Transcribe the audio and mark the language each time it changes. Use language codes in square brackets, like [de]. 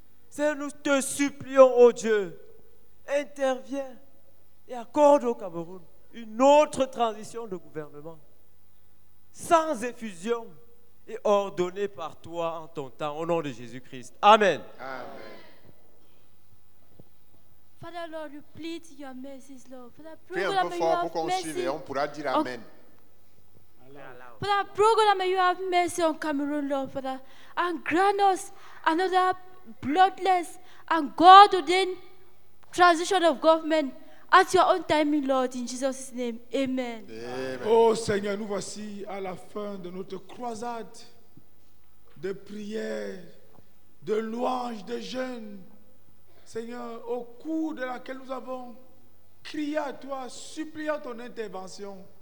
[fr] Seigneur, nous te supplions, ô Dieu, interviens et accorde au Cameroun une autre transition de gouvernement, sans effusion et ordonnée par toi en ton temps, au nom de Jésus-Christ. Amen. Amen. [en] Father Lord, you plead your mercy, Lord. Father, [fr] pray un peu fort pour qu'on suive et on pourra dire Amen. [en] Father, pray God that may you have mercy on Cameroon, Lord, Father, and grant us another bloodless and God-ordained transition of government at your own timing, Lord, in Jesus' name. Amen. Amen. [fr] Oh Seigneur, nous voici à la fin de notre croisade de prière, de louange, de jeûne. Seigneur, au cours de laquelle nous avons crié à toi, suppliant ton intervention.